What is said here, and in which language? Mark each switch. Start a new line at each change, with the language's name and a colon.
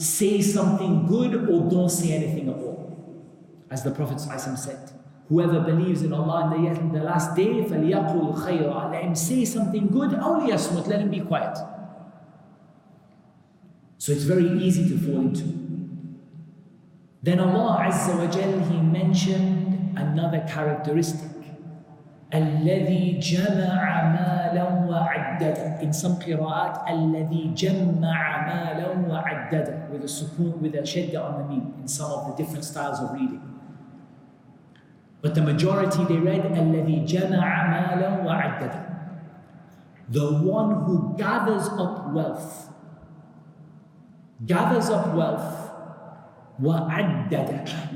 English: Say something good or don't say anything at all. As the Prophet ﷺ said, whoever believes in Allah in the last day,
Arabic: فَلْيَقُلْ خَيْرًا.
English: Let him say something good,
Arabic: أَوْ لِيَصْمُتْ.
English: Let him be quiet. So it's very easy to fall into. Then Allah Azza wa Jal, He mentioned another characteristic.
Arabic: الَّذِي جَمَعَ مَالًا وَعَدَّدَ.
English: In some qira'at,
Arabic: الَّذِي جَمَّعَ مَالًا وَعَدَّدَ.
English: With a sukoon, with a shadda on the meem, in some of the different styles of reading. But the majority they read,
Arabic: الَّذِي جَمَعَ مَالًا وَعَدَّدَ.
English: The one who gathers up wealth. Gathers up wealth. وَعَدَّدَ.